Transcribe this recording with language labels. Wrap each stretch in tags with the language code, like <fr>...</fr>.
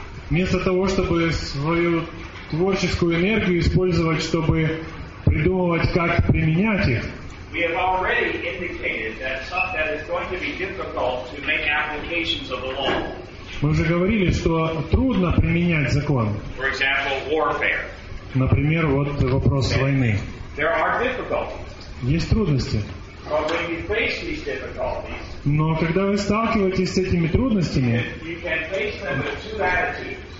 <ru>Вместо того, чтобы свою творческую энергию использовать, чтобы придумывать, как применять их.</ru> <en>We have already indicated that something that is going to be difficult to make applications of the law.</en> <ru>Мы уже говорили, что трудно применять закон.</ru> <en>For example, warfare.</en> <ru>Например, вот вопрос войны.</ru> <en>There are difficulties.</en> <ru>Есть трудности.</ru> <en>But when you face these difficulties,</en> <ru>но когда вы сталкиваетесь с этими трудностями,</ru> <en>you can face them with two attitudes.</en>